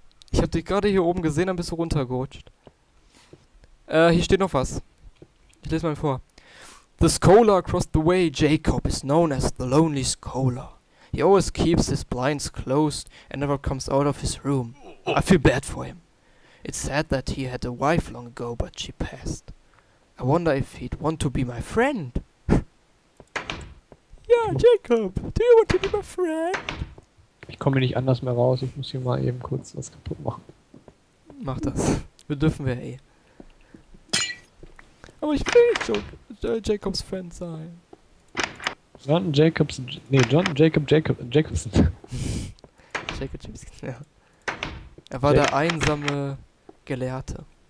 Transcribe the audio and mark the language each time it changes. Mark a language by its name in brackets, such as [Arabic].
[German] Ich hab dich gerade hier oben gesehen, dann bist du runtergerutscht. Hier steht noch was. Ich lese mal vor. [English] The scholar across the way, Jacob, is known as the lonely scholar. He always keeps his blinds closed and never comes out of his room. I feel bad for him. It's sad that he had a wife long ago, but she passed. I wonder if he'd want to be my friend. Yeah, Jacob, do you want to be my friend? [German] Ich komme hier nicht anders mehr raus, ich muss hier mal eben kurz was kaputt machen. Mach das. Wir dürfen wir eh. Aber ich will Jacobs Friend sein. John Jacobs. Nee, John Jacob Jacob Jacobson. Jacob Jacobson, ja. Er war der einsame Gelehrte.